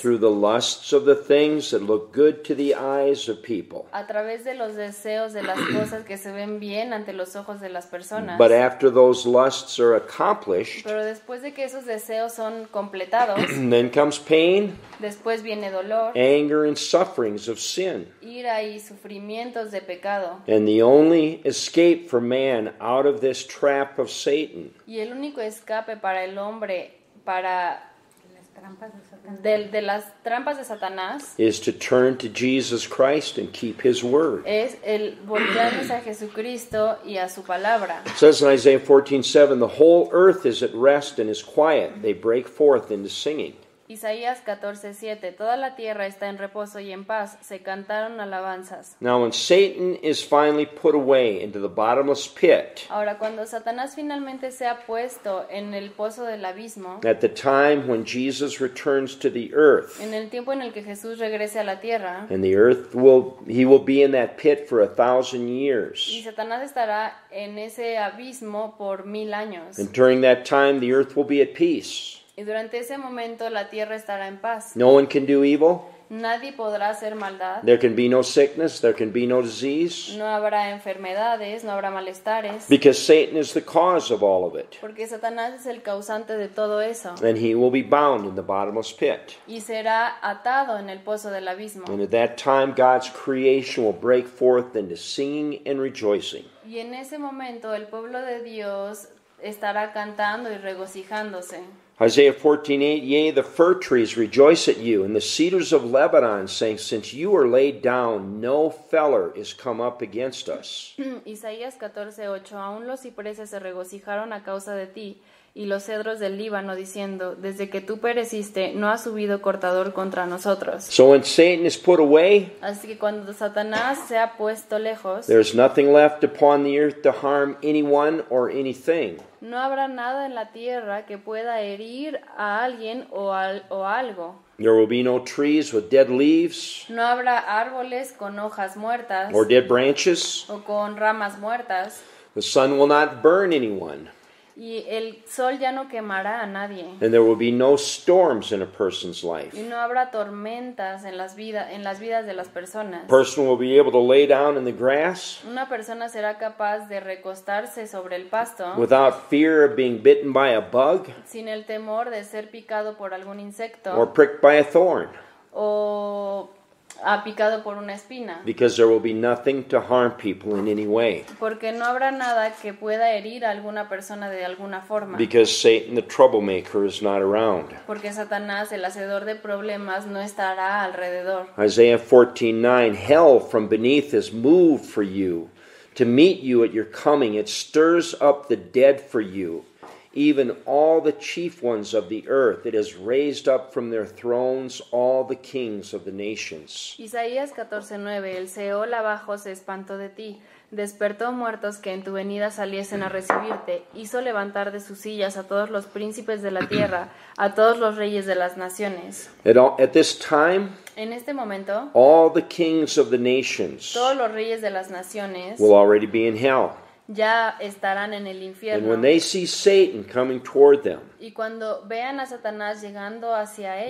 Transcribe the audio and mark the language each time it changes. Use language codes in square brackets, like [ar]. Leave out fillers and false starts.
[en] Through the lusts of the things that look good to the eyes of people. [es] A través de los deseos de las cosas que se ven bien ante los ojos de las personas. [en] But after those lusts are accomplished. [es] Pero después de que esos deseos son completados. [en] Then comes pain. [es] Después viene dolor. [en] Anger and sufferings of sin. [es] Ira y sufrimientos de pecado. [en] And the only escape for man out of this trap of Satan. [es] Y el único escape para el hombre para las trampas de Satanás. De las trampas de Satanás [en] is to turn to Jesus Christ and keep his word. [es] Es el voltearnos a Jesucristo y a su palabra. [en] It says in Isaiah 14:7, the whole earth is at rest and is quiet. They break forth into singing. [es] Isaías 14:7, toda la tierra está en reposo y en paz, se cantaron alabanzas. [en] Now when Satan is finally put away into the bottomless pit. [es] Ahora cuando Satanás finalmente se ha puesto en el pozo del abismo. [en] At the time when Jesus returns to the earth. [es] En el tiempo en el que Jesús regrese a la tierra. [en] And the earth will, he will be in that pit for 1,000 years. [es] Y Satanás estará en ese abismo por 1,000 años. [en] And during that time the earth will be at peace. [es] Y durante ese momento la tierra estará en paz. [en] No one can do evil. [es] Nadie podrá hacer maldad. [en] There can be no sickness, there can be no disease. [es] No habrá enfermedades, no habrá malestares. [en] Because Satan is the cause of all of it. [es] Porque Satanás es el causante de todo eso. [en] And he will be bound in the bottomless pit. [es] Y será atado en el pozo del abismo. [en] And at that time God's creation will break forth into singing and rejoicing. [es] Y en ese momento el pueblo de Dios estará cantando y regocijándose. [en] Isaiah 14:8, yea, the fir trees rejoice at you, and the cedars of Lebanon, saying, since you are laid down, no feller is come up against us. [es] Isaías 14:8, aún los cipreses se regocijaron a causa de ti, y los cedros del Líbano, diciendo, desde que tú pereciste, no ha subido cortador contra nosotros. [en] So when Satan is put away, [es] así que cuando Satanás se ha puesto lejos, [en] there is nothing left upon the earth to harm anyone or anything. [es] No habrá nada en la tierra que pueda herir a alguien o algo. [en] There will be no trees with dead leaves. [es] No habrá árboles con hojas muertas. [en] Or dead branches. [es] O con ramas muertas. [en] The sun will not burn anyone. [es] Y el sol ya no quemará a nadie. [en] And there will be no storms in a person's life. [es] Y no habrá tormentas en las vidas de las personas. [en] Person will be able to lay down in the grass. [es] Una persona será capaz de recostarse sobre el pasto. [en] Without fear of being bitten by a bug. [es] Sin el temor de ser picado por algún insecto. [en] Or pricked by a thorn. [es] O ha picado por una espina. [en] Because there will be nothing to harm people in any way. [es] Porque no habrá nada que pueda herir a alguna persona de alguna forma. [en] Because Satan the troublemaker is not around. [es] Porque Satanás el hacedor de problemas no estará alrededor. [en] Isaiah 14:9, hell from beneath is moved for you to meet you at your coming. It stirs up the dead for you. Even all the chief ones of the earth, it has raised up from their thrones all the kings of the nations. [es] Isaías 14:9, el Seol abajo se espantó de ti, despertó muertos que en tu venida saliesen a recibirte, hizo levantar de sus sillas a todos los príncipes de la tierra, a todos los reyes de las naciones. [en] At this time, [es] en este momento, [en] all the kings of the nations, [es] todos los reyes de las naciones, [en] will already be in hell. [es] Ya estarán en el infierno. [en] And when they see Satan coming toward them, [es] y cuando vean a Satanás llegando hacia ellos,